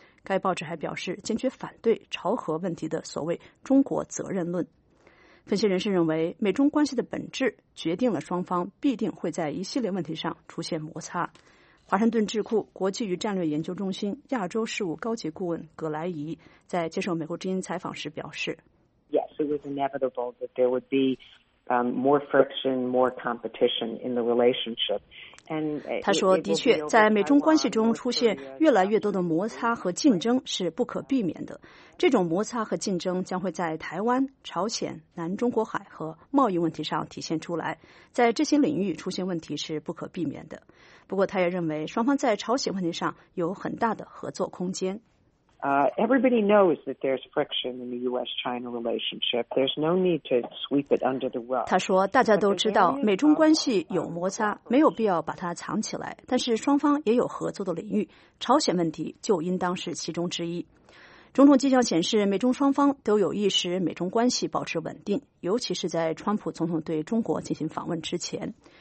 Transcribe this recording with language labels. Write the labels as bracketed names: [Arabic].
[Chinese] 该报纸还表示坚决反对朝核问题的所谓中国责任论。分析人士认为，美中关系的本质决定了双方必定会在一系列问题上出现摩擦。华盛顿智库国际与战略研究中心亚洲事务高级顾问葛莱仪在接受美国之音采访时表示， [English] Yes, it was inevitable that there would be more friction, more competition in the relationship. [Chinese] 他说，的确在美中关系中出现越来越多的摩擦和竞争是不可避免的，这种摩擦和竞争将会在台湾、朝鲜、南中国海和贸易问题上体现出来，在这些领域出现问题是不可避免的。不过他也认为双方在朝鲜问题上有很大的合作空间。 [English] Everybody knows that there's friction in the U.S.-China relationship. There's no need to sweep it under the rug. [Chinese] 他说，大家都知道美中关系有摩擦，没有必要把它藏起来。但是双方也有合作的领域，朝鲜问题就应当是其中之一。种种迹象显示，美中双方都有意识美中关系保持稳定，尤其是在川普总统对中国进行访问之前。